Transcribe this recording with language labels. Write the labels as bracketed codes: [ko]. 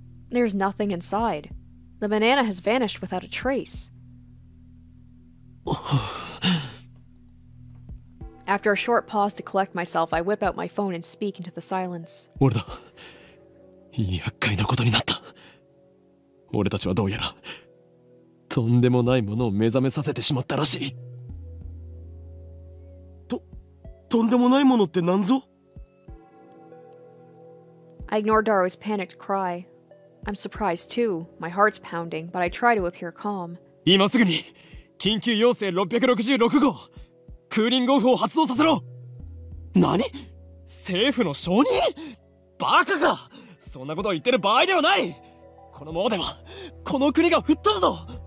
[en] There's nothing inside. The banana has vanished without a trace. After a short pause to collect myself, I whip out my phone and speak into the silence. [ja] 俺だ。厄介なことになった。俺たちはどうやら、とんでもないものを目覚めさせてしまったらしい。とんでもないものってなんぞ? [en] I ignore Daru's panicked cry. I'm surprised too. My heart's pounding, but I try to appear calm. [ja] 今すぐに緊急要請666号クーリングオフを発動させろ。何? 政府の承認?バカか! そんなことを言ってる場合ではない!このままではこの国が吹っ飛ぶぞ!